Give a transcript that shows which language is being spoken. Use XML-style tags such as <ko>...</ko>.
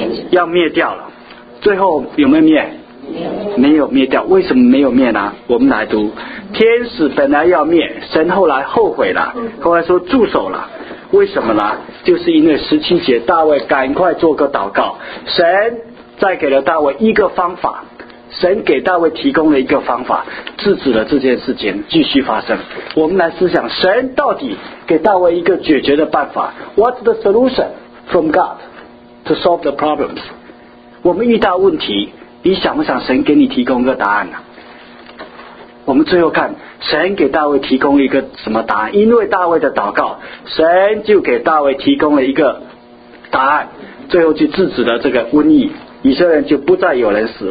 <zh>要灭掉了最后有没有灭没有灭掉为什么没有灭呢我们来读天使本来要灭神后来后悔了后来说住手了为什么呢就是因为十七节大卫赶快做个祷告神再给了大卫一个方法神给大卫提供了一个方法制止了这件事情继续发生我们来思想神到底给大卫一个解决的办法</zh> <en>What's the solution from God to solve the problems.</en> <zh>我们遇到问题，你想不想神给你提供一个答案呢？我们最后看神给大卫提供一个什么答案，因为大卫的祷告，神就给大卫提供了一个答案，最后就制止了这个瘟疫，以色列就不再有人死。</zh>